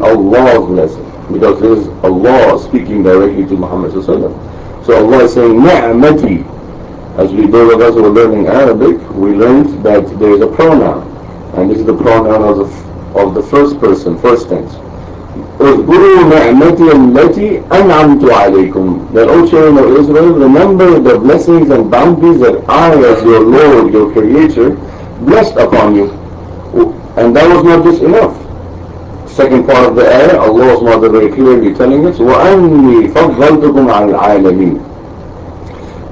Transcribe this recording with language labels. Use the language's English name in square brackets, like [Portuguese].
[English] Allah's blessing. Because this is Allah speaking directly to Muhammad sallallahu alayhi wa sallam. So Allah is saying, Ni'mati. As we, those of us who are learning Arabic, we learned that there is a pronoun, and this is the pronoun of the first person, first tense. [Arabic] اذكروا نعمتي التي أنعمت عليكم. [English] That, O children of Israel, remember the blessings and bounties that I, as your Lord, your Creator, blessed upon you. And that was not just enough. Second part of the ayah, Allah's mother very clearly telling us, [Arabic] وَأَنِّي فَضَّلْتُكُمْ عَلَى الْعَالَمِينَ.